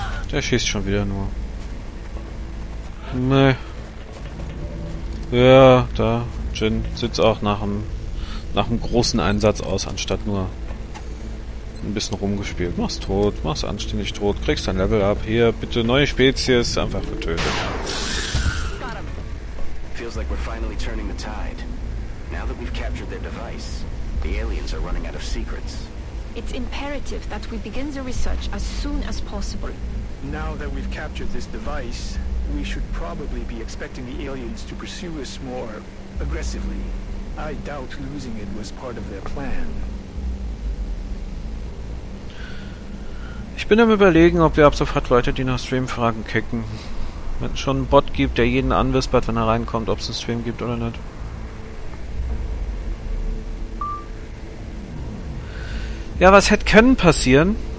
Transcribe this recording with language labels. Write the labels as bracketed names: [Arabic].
[German] Der schießt schon wieder nur. Nee. Ja, da. Jin sitzt auch nach dem großen Einsatz aus, anstatt nur ein bisschen rumgespielt. Mach's tot, mach's anständig tot, kriegst dein Level ab. Hier, bitte, neue Spezies, einfach getötet. [English] Feels like we're finally turning the tide. Now that we've captured their device, the aliens are running out of secrets. It's imperative that we begin the research as soon as possible. Now that we've captured this device, we should probably be expecting the aliens to pursue us more aggressively. I doubt losing it was part of their plan. [German] Ich bin am Überlegen, ob wir ab sofort Leute, die nach Streamfragen kicken. Wenn es schon einen Bot gibt, der jeden anwispert, wenn er reinkommt, ob es einen Stream gibt oder nicht. Ja, was hätte können passieren?